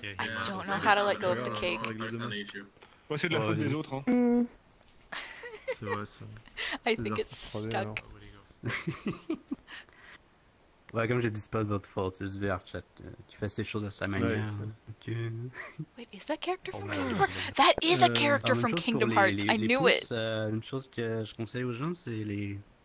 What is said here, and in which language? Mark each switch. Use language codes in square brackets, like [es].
[en] I don't know how to let go of the cake. [fr] Ouais, c'est de la faute des autres, hein. C'est vrai, ça. [en] I think it's stuck. [fr] Ouais, comme j'ai dit, c'est pas de votre faute, c'est juste VRChat. Tu fais ces choses à sa manière. Ouais, [en] wait, is that character from Kingdom Hearts? That is a character from Kingdom Hearts, I knew [fr] pouces, [en] it! [fr] Une chose que je conseille aux gens, c'est les...